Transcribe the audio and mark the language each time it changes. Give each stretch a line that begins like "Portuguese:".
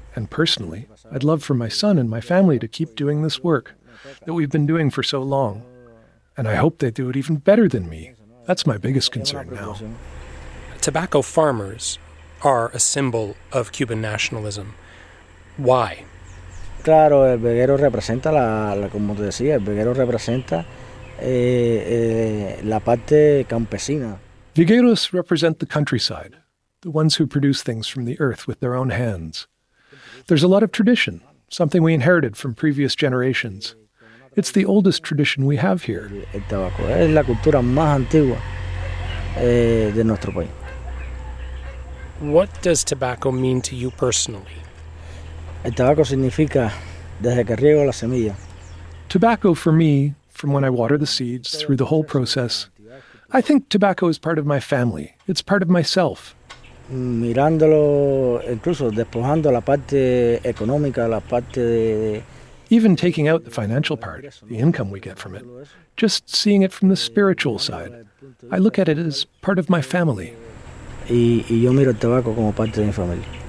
English: And personally, I'd love for my son and my family to keep doing this work that we've been doing for so long. And I hope they do it even better than me. That's my biggest concern now. Tobacco farmers are a symbol of Cuban nationalism. Why?
Spanish: Claro, el veguero representa, como te decía, el veguero representa la parte campesina.
English: Vigueros represent the countryside, the ones who produce things from the earth with their own hands. There's a lot of tradition, something we inherited from previous generations. It's the oldest tradition we have here.
Spanish: El tabaco es la cultura más antigua de nuestro país.
English: What does tobacco mean to you personally?
Spanish: El tabaco significa desde que riego la semilla.
English: Tobacco for me, from when I water the seeds through the whole process, I think tobacco is part of my family. It's part of myself.
Spanish: Mirándolo, incluso despojando la parte económica, la parte de...
English: Even taking out the financial part, the income we get from it, just seeing it from the spiritual side, I look at it as part of my family.
Spanish: Y yo miro el tabaco como parte de mi familia.